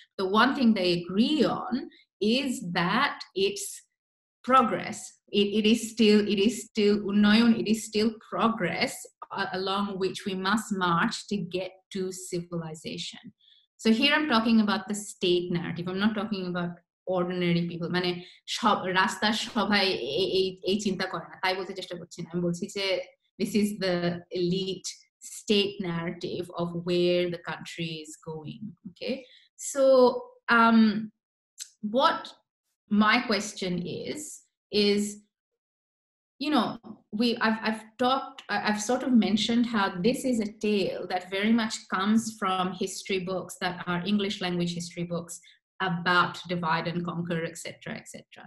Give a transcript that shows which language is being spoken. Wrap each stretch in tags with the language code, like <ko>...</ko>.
<en>The one thing they agree on is that it's progress. It is still unnoyon, it is still progress along which we must march to get to civilization. So here I'm talking about the state narrative. I'm not talking about ordinary people.</en> <bn>মানে সব রাস্তা সবাই এই চিন্তা করে না, তাই বলতে চেষ্টা করছি না। আমি বলছি যে</bn> <en>this is the elite state narrative of where the country is going. Okay, so what my question is you know, I've sort of mentioned how this is a tale that very much comes from history books that are English language history books about divide and conquer, etc., etc.</en>